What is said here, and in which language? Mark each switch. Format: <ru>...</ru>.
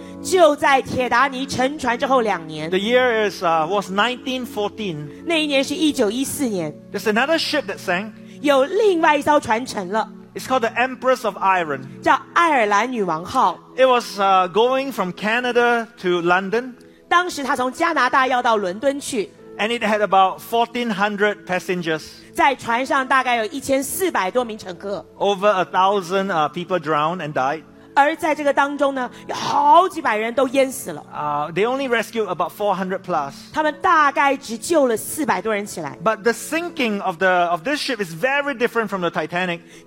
<zh>就在铁达尼沉船之后两年,</zh> <en>the year is was 1914.</en> <zh>那一年是1914年.</zh> <en>There's another ship that sank.</en> <zh>有另外一艘船沉了.</zh> <en>It's called the Empress of Iron.</en> <zh>叫爱尔兰女王号.</zh> <en>It was going from Canada to London.</en> <zh>当时它从加拿大要到伦敦去.</zh> <en>And it had about 1400 passengers.</en> <zh>在船上大概有1400多名乘客.</zh> <en>Over 1000 people drowned and died.</en> <zh>而在这个当中呢，有好几百人都淹死了。</zh> <en>They only rescued about 400 plus.</en> <zh>他们大概只救了400多人起来。</zh> <en>But the sinking of this ship is very different from the Titanic.</en>